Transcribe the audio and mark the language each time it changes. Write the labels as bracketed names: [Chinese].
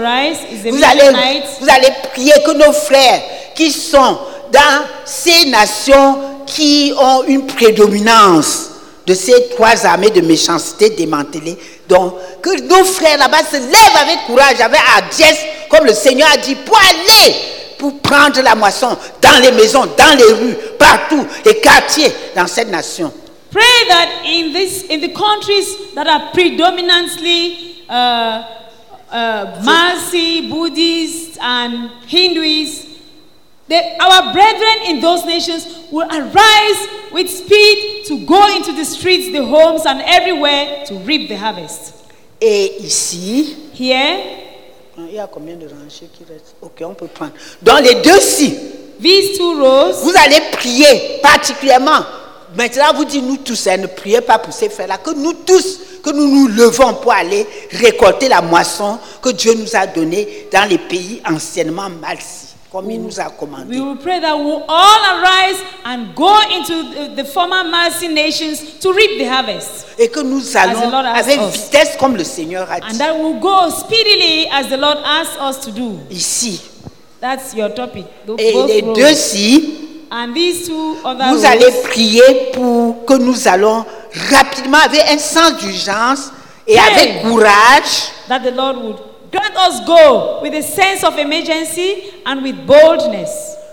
[French] Vous allez prier que nos frères qui sont dans ces nations qui ont une prédominance de ces trois armées de méchanceté démantelées. Donc, que nos frères là-bas se lèvent avec courage, avec hardiesse, comme le Seigneur a dit, pour aller, pour prendre la moisson dans les maisons, dans les rues, partout, les quartiers, dans cette nation. [English] Pray that in the countries that are predominantly Marsi, Buddhist, and Hinduist, our brethren in those nations will arise with speed to go into the streets, the homes, and everywhere to reap the harvest. [French] Et ici, [English] here, [French] il y a combien de rangées qui restent? Ok, on peut prendre. Dans les deux-ci, [English] these two rows, [French] vous allez prier particulièrement. Maintenant, vous dites nous tous, ne priez pas pour ces frères-là, que nous tous, que nous nous levons pour aller récolter la moisson que Dieu nous a donnée dans les pays anciennement malsains. Comme il nous a commandé. [English] We will pray that we'll all arise and go into the former Mercy nations to reap the harvest. [French] Et que nous allons avec vitesse comme le Seigneur a dit. [English] And that we'll go speedily as the Lord asked us to do. [French] Ici. [English] That's your topic. [French] Et les deux-ci. [English] And these two other. [French] Vous allez prier pour que nous allons rapidement avec un sens d'urgence et avec courage. [English] That the Lord would grant us go with a sense of emergency and with boldness.